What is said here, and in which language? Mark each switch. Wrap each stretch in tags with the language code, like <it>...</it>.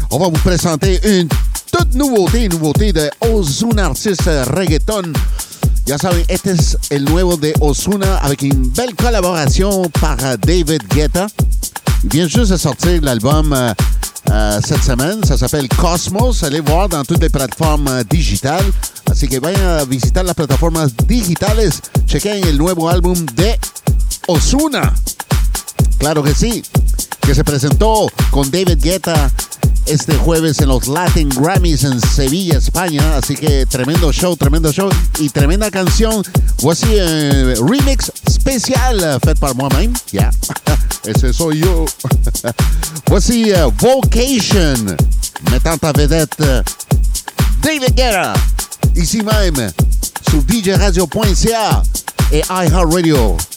<fr>On va vous présenter une toute nouveauté de Ozuna, artiste reggaeton.</fr> <es>Ya saben, este es el nuevo de Ozuna</es> <fr>avec une belle collaboration par David Guetta. Il vient juste de sortir l'album cette semaine. Ça s'appelle Cosmos. Allez voir dans toutes les plateformes digitales.</fr> <es>Así que vayan a visitar las plataformas digitales. Chequen el nuevo álbum de Ozuna. Claro que sí. Que se presentó con David Guetta este jueves en los Latin Grammys en Sevilla, España. Así que tremendo show y tremenda canción.</es> <fr>Voici un remix especial fait par moi-même. Yeah,</fr> <es>ese soy yo.</es> <fr>Voici Vocation, mettant en vedette David Guetta, ici même sur DJRadio.ca et iHeartRadio.</fr>